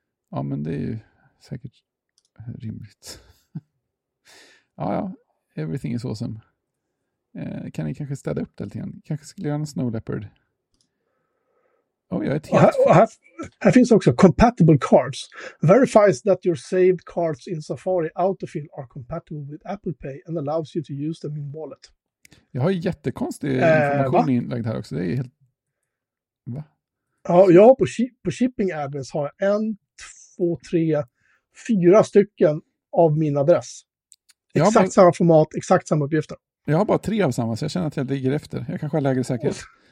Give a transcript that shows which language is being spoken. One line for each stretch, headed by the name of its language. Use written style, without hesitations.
Swedish: Ja, men det är ju säkert rimligt. Ja,
English: everything is awesome.
Swedish: Kan ni kanske städa upp det lite grann? Kanske skulle göra en Snow Leopard. Oh, jag är ett helt här finns också compatible cards.
English: Verifies that your saved cards in Safari Autofill are compatible with Apple Pay and allows you to use them in wallet.
Swedish: Jag har ju jättekonstig information inlagd här också. Det är helt. Va? Ja, jag har på shipping address har jag 1, 2, 3, 4 stycken av min adress. Exakt bara, samma format, exakt samma uppgifter. Jag har bara 3 av samma, så jag känner att jag ligger efter. Jag kanske har lägre säkerhet.